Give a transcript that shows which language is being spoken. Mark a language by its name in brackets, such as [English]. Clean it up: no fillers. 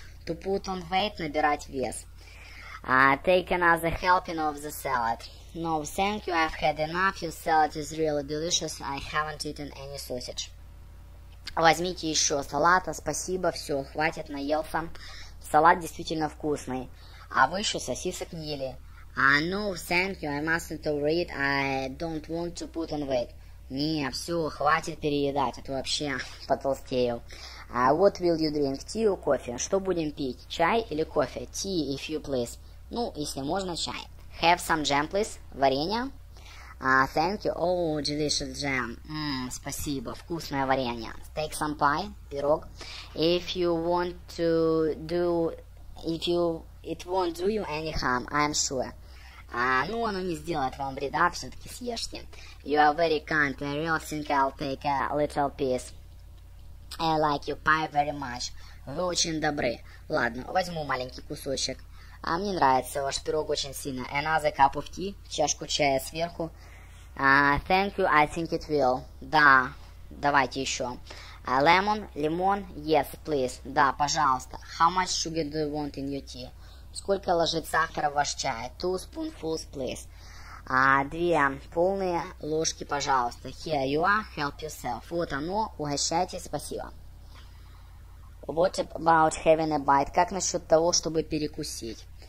[English] To put on weight. [Russian] Набирать вес. [English] Take another helping of the salad. No, thank you. I've had enough. Your salad is really delicious. I haven't eaten any sausage. [Russian] Возьмите еще салата, спасибо, все, хватит, наелся. Салат действительно вкусный. А вы еще сосисок не ели? [English] No, thank you, I mustn't overeat, I don't want to put on weight. [Russian] Не, все, хватит переедать, это вообще потолстею. [English] What will you drink, tea or coffee? [Russian] Что будем пить, чай или кофе? [English] Tea, if you please. [Russian] Ну, если можно, чай. [English] Have some jam, please, варенье. Thank you. Oh, delicious jam. [Russian] Спасибо. Вкусное варенье. [English] Take some pie. Пирог. It won't do you any harm, I'm sure. [Russian] Оно не сделает вам вреда, все-таки съешьте. [English] You are very kind. I really think I'll take a little piece. I like your pie very much. [Russian] Вы очень добры. Ладно, возьму маленький кусочек. Мне нравится ваш пирог очень сильно. [English] Another cup of tea. [Russian] Чашку чая сверху. [English] Thank you, I think it will. [Russian] Да, Давайте еще. Лемон, лимон, [English] yes, please. [Russian] Да, пожалуйста. [English] How much sugar do you want in your tea? [Russian] Сколько ложек сахара в ваш чай? [English] 2 spoonfuls, please. [Russian] Две полные ложки, пожалуйста. [English] Here you are, help yourself. [Russian] Вот оно, угощайтесь, спасибо. [English] What about having a bite? [Russian] Как насчет того, чтобы перекусить?